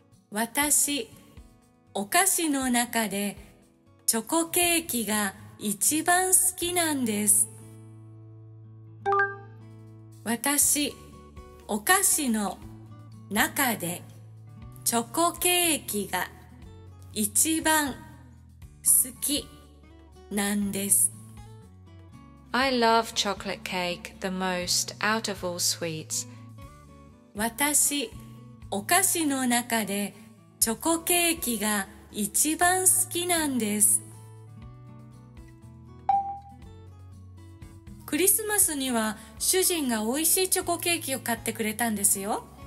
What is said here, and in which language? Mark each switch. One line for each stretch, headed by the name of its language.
Japanese: 私、お菓子の中でチョコケーキが一番好きなんです。私、お菓子の中でチョコケーキが一番好きなんです。
English: I love chocolate cake the most out of all sweets.
Japanese: 私、お菓子の中でチョコケーキが一番好きなんです。クリスマスには主人が美味しいチョコケーキを買ってくれたんですよ。